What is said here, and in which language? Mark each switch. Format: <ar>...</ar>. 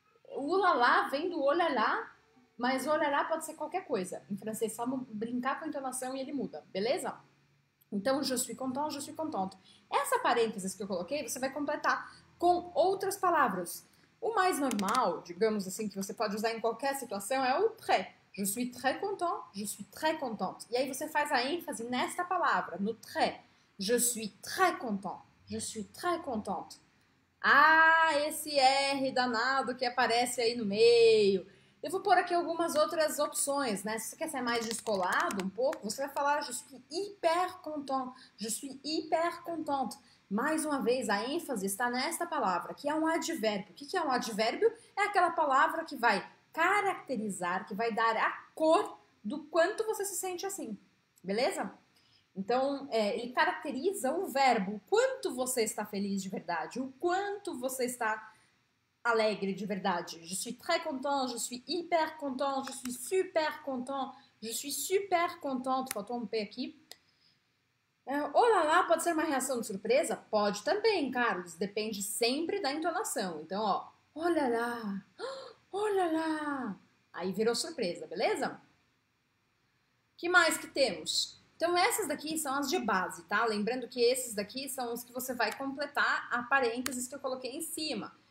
<pt>Ulalá vem do olalá, mas olalá pode ser qualquer coisa. Em francês, só brincar com a entonação e ele muda, beleza? Então,</pt> <fr>je suis content, je suis contente.</fr> <pt>Essa parênteses que eu coloquei, você vai completar com outras palavras. O mais normal, digamos assim, que você pode usar em qualquer situação é o très.</pt> <fr>Je suis très content, je suis très contente.</fr> <pt>E aí você faz a ênfase nesta palavra, no très.</pt> <fr>Je suis très content, je suis très contente.</fr> <pt>Ah, esse R danado que aparece aí no meio. Eu vou pôr aqui algumas outras opções, né? Se você quer ser mais descolado um pouco, você vai falar</pt> <fr>je suis hyper content, je suis hyper contente.</fr> <pt>Mais uma vez, a ênfase está nesta palavra, que é um advérbio. O que é um advérbio? É aquela palavra que vai caracterizar, que vai dar a cor do quanto você se sente assim, beleza? Então, ele caracteriza o verbo, o quanto você está feliz de verdade, o quanto você está alegre de verdade.</pt> <fr>Je suis très content, je suis hyper content, je suis super content, je suis super contente.</fr> <pt>Faltou um P aqui. Olá lá, pode ser uma reação de surpresa? Pode também, Carlos. Depende sempre da entonação. Então, ó, olá lá, olá lá. Aí virou surpresa, beleza? Que mais que temos? Então, essas daqui são as de base, tá? Lembrando que esses daqui são os que você vai completar a parênteses que eu coloquei em cima.</pt>